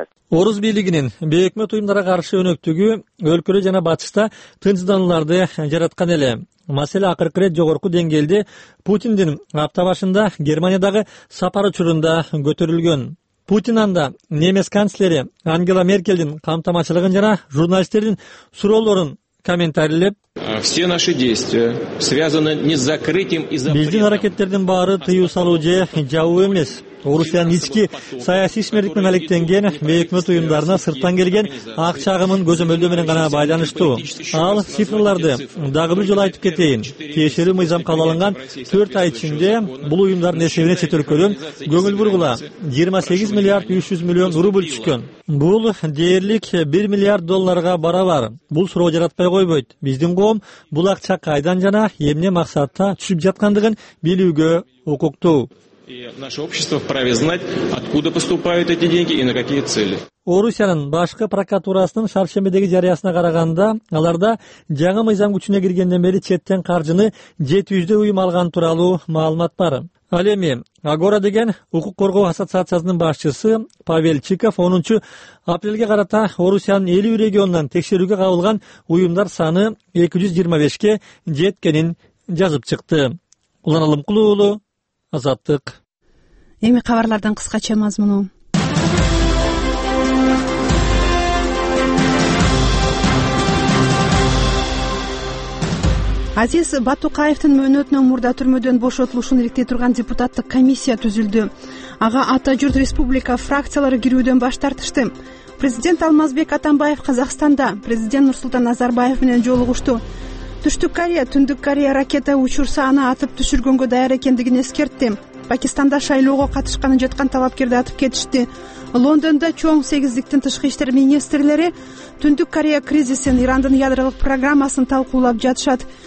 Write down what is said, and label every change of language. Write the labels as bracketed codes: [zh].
[ky] Орус бийлигинин бейөкмөт уюмдарга каршы өнөктүгү өлкөдө жана батышта тынчсызданууларды жараткан эле. Маселе акыркы ирет жогорку деңгээлде Путиндин апта башында Германиядагы сапары учурунда көтөрүлгөн. Путин анда немец канцлери Ангела Меркелдин камтамачылыгын жана журналисттердин суроолорун комментарийлеп: [ru] Все наши действия связаны не с закрытием и запретом. [ky] Биздин аракеттердин баары тыюу салуу же жабуу эмес. Орусиянын ички саясий ишмердик менен алектенген бейөкмөт уюмдарына сырттан келген акча агымын көзөмөлдөө менен гана байланыштуу. Ал цифрларды дагы бир жолу айтып кетейин. Тиешелүү мыйзам кабыл алынган 4 ай ичинде бул уюмдардын эсебине чет өлкөдөн көңүл бургула 28 миллиард 300 миллион рубль түшкөн. Бул дээрлик 1 миллиард долларга барабар. Бул суроо жаратпай койбойт. Биздин коом бул акча кайдан жана эмне максатта түшүп жаткандыгын билүүгө укуктуу. [ru] И наше общество вправе знать, откуда поступают эти деньги и на какие цели. [ky] Орусиянын башкы прокуратурасынын шаршембидеги жарыясына караганда, аларда жаңы мыйзам күчүнө киргенден бери четтен каржыны 700 уюм алган тууралуу маалымат бар. Ал эми Агора деген укук коргоо ассоциациясынын башчысы Павел Чиков 10 апрелге карата Орусиянын 50 регионунан текшерүүгө кабылган уюмдар саны 225 жеткенин жазып чыкты. Улан Алымкул уулу, Азаттык. Эми кабарлардан кыскача мазмуну. Азиз Батукаевдин мөөнөтүнөн мурда түрмөдөн бошотулушун иликтей турган депутаттык комиссия түзүлдү. Ага Атажурт Республика фракциялары кирүүдөн баш тартышты. Президент Алмазбек Атамбаев Казакстанда, президент Нурсултан Назарбаев менен жолугушту. Түштүк Корея Түндүк Корея ракета учурса аны атып түшүргөнгө даяр экендигин эскертти. Пакистанда шайлоого катышканы жаткан талапкерди атып кетишти. Лондондо чоң сегиздиктин тышкы иштер министрлери Түндүк Корея кризисин, Ирандын ядролук программасын талкуулап жатышат.